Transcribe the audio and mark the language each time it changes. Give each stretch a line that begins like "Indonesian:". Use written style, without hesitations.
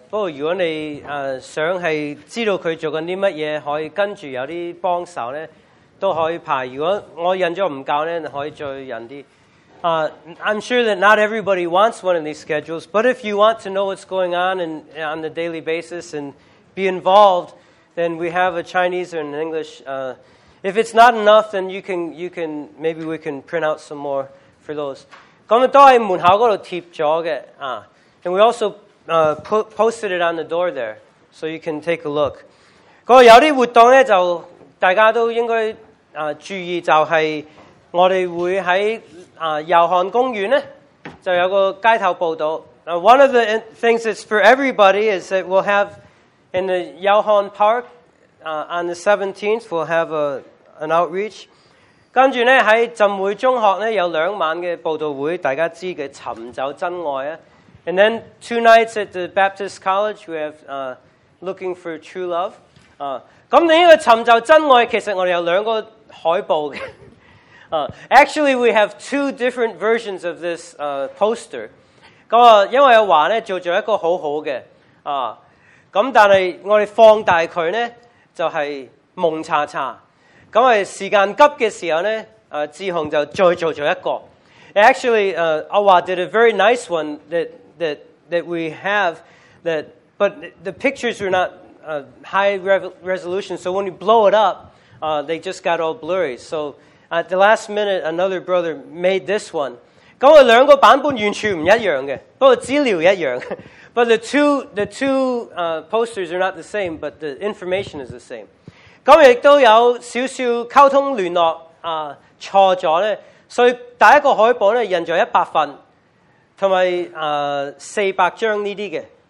Cantonese: 不過如果你想係知道佢做緊啲乜嘢，可以跟住有啲幫手咧，都可以派。如果我印咗唔夠咧，可以再印啲。
English: I'm sure that not everybody wants one of these schedules, but if you want to know what's going on a daily basis and be involved, then we have a Chinese or an English. If it's not enough, then maybe we can print out some more for those.
Cantonese: 咁都喺門口嗰度貼咗嘅啊
English: ，and we also posted it on the door there, so you can take a look.
Cantonese: 嗰個有啲活動咧，就大家都應該注意，就係我哋會喺遊漢公園咧，就有個街頭報道。
English: One of the things that's for everybody is that we'll have in the 遊漢 Park on the 17th, we'll have an outreach.
Cantonese: 跟住咧喺浸會中學咧有兩晚嘅報道會，大家知嘅尋找真愛啊。
English: And then two nights at the Baptist College, we have looking for true love.
Cantonese: 咁呢個尋找真愛，其實我哋有兩個海報嘅。
English: Actually, we have two different versions of this poster.
Cantonese: 咁啊，因為阿華咧做咗一個好好嘅啊，咁但係我哋放大佢咧就係蒙查查。咁啊，時間急嘅時候咧，志雄就再做咗一個。
English: Actually, Awa did a very nice one that we have. But the pictures were not high resolution, so when you blow it up, they just got all blurry. So at the last minute, another brother made this one.
Cantonese: 咁啊，兩個版本完全唔一樣嘅，不過資料一樣。
English: But the two posters are not the same, but the information is the same.
Cantonese: 咁亦都有少少溝通聯絡錯咗咧，所以第一個海報咧印咗100份，同埋400張呢啲嘅。